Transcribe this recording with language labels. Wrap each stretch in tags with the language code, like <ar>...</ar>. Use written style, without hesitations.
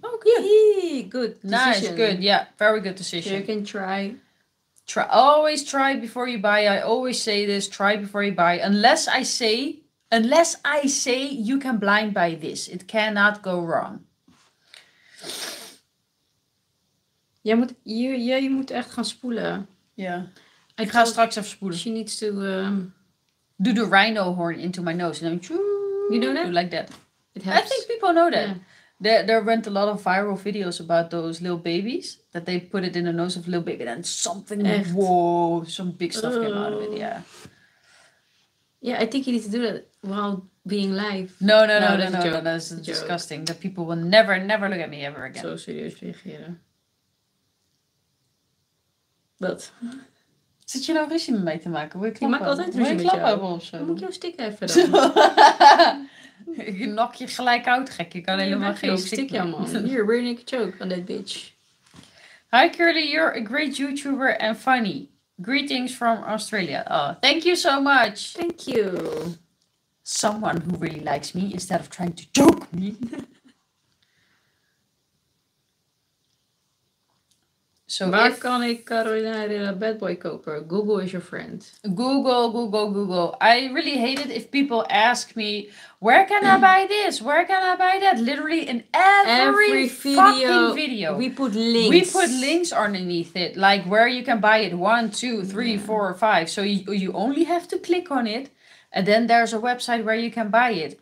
<en>Okay. Yeah. Good. Nice. Decision. Good. Yeah. Very good decision. You can try. Try. Always try before you buy. I always say this. Try before you buy. Unless I say you can blind buy this. It cannot go wrong.</en> <nl>Jij moet echt gaan spoelen. Ja. Ik ga straks even spoelen.</nl> <en>She needs to... Do the rhino horn into my nose. And then... You know that? Do like that. It helps. I think people know that. Yeah. There went a lot of viral videos about those little babies. That they put it in the nose of a little baby. And something...</en> <nl>Echt?</nl> <en>Whoa. Some big stuff came out of it. Yeah. Yeah, I think you need to do that while being live. No, that's disgusting. That people will never, never look at me ever again. So serious</en> <nl>reageren. Wat? Zit je nou ruzie met mij te maken? Wil je klappen? Je maakt altijd ruzie met jou. Wil je klappen of zo? Dan moet ik jou stikken even dan. Ik nok je gelijk uit, gek. Je kan helemaal geen stik jou, man.</nl> <en>Here, we're gonna choke on that bitch. Hi, Curly. You're a great YouTuber and funny. Greetings from Australia. Oh, thank you so much. Thank you. Someone who really likes me instead of trying to choke me.</en> <nl>So waar kan ik Carolina Herrera bad boy kopen?</nl> <en>Google is your friend. Google. I really hate it if people ask me, where can I buy this? Where can I buy that? Literally in every video, fucking video. We put links. We put links underneath it. Like where you can buy it. 1, 2, 3, 4, 5. So you only have to click on it. And then there's a website where you can buy it.</en>